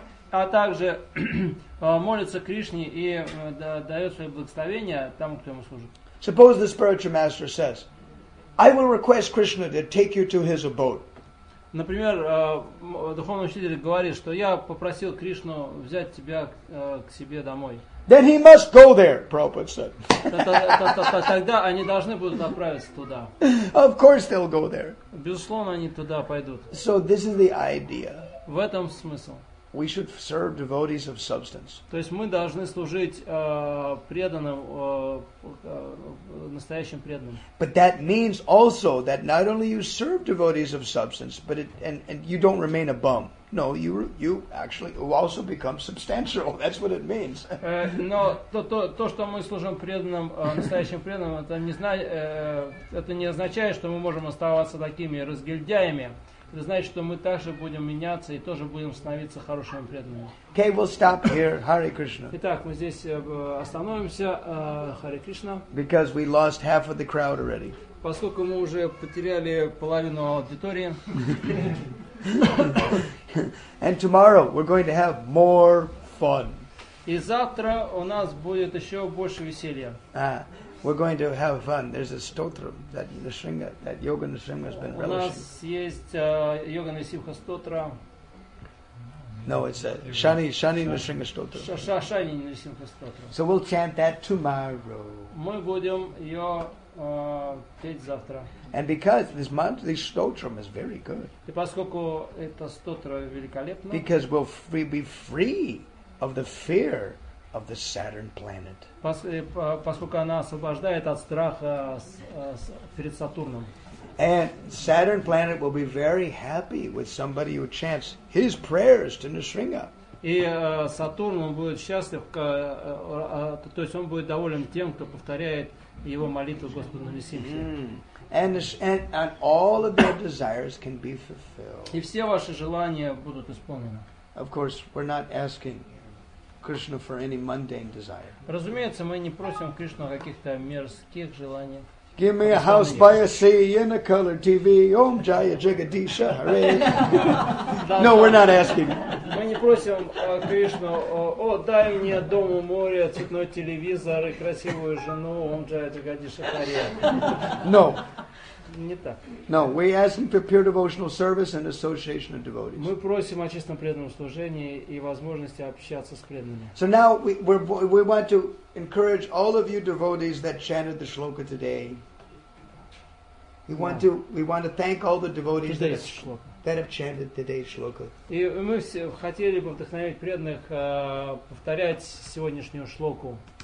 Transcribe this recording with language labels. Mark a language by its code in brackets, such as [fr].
[ru] а также молится Кришне и дает свои благословения тому, кто ему служит. [en] Suppose the spiritual master says, I will request Krishna to take you to his abode. [ru] Например, духовный учитель говорит, что я попросил Кришну взять тебя к себе домой. [en] Then he must go there, Prabhupada said. [ru] Тогда они должны будут отправиться туда. [en] Of course they'll go there. [ru] Безусловно, они туда пойдут. [en] So this is the idea. [ru] В этом смысл. [en] We should serve devotees of substance. [ru] То есть мы должны служить преданным, настоящим преданным. [en] But that means also that not only you serve devotees of substance, but and you don't remain a bum. No, you actually also become substantial. That's what it means. [ru] Но то, что мы служим преданным, настоящим преданным, это не означает, что мы можем оставаться такими разгильдяями. Это значит, что мы также будем меняться и тоже будем становиться хорошими преданными. [en] Okay, we'll stop here. [sa] Hare Krishna. [ru] Итак, мы здесь остановимся. [sa] Hare Krishna. [en] Because we lost half of the crowd already. [ru] Поскольку мы уже потеряли половину аудитории. [en] And tomorrow we're going to have more fun. [ru] И завтра у нас будет еще больше веселья. [en] We're going to have fun. There's a stotra that Nrisimha, that Yoga Nrisimha has been relishing. [ru] У нас есть Йога Нрисимха стотра. [en] No, it's a Шани Нрисимха стотра. [ru] Шани Нрисимха стотра. [en] So we'll chant that tomorrow. [ru] Мы будем ее петь завтра. [en] And because this mantra, this stotra is very good. [ru] И поскольку эта стотра великолепна. [en] Because we'll be free of the fear of the Saturn planet. [ru] Поскольку она освобождает от страха перед Сатурном. [en] And Saturn planet will be very happy with somebody who chants his prayers to Nrisimha. [ru] И Сатурн будет счастлив, то есть он будет доволен тем, кто повторяет его молитву Господу Нрисимхе. [en] And all of their desires can be fulfilled. [ru] И все ваши желания будут исполнены. [en] Of course, we're not asking Krishna for any mundane desire. [ru] Разумеется, мы не просим Кришну каких-то мерзких желаний. [en] Give me a house by a sea in a color TV. [sa] Om Jaya Jagadisha Hare. [en] No, we're not asking. [ru] Мы не просим Кришну: о, дай мне дом у моря, цветной телевизор и красивую жену. [sa] Om Jaya Jagadisha Hare. [en] No. [ru] Не так. [en] No, we asking for pure devotional service and association of devotees. [ru] Мы просим о чистом преданном служении и возможности общаться с преданными. [en] So now we want to encourage all of you devotees that chanted the shloka today. We want to thank all the devotees that have chanted today's shloka. [ru] И мы все хотели бы вдохновить преданных повторять сегодняшнюю шлоку.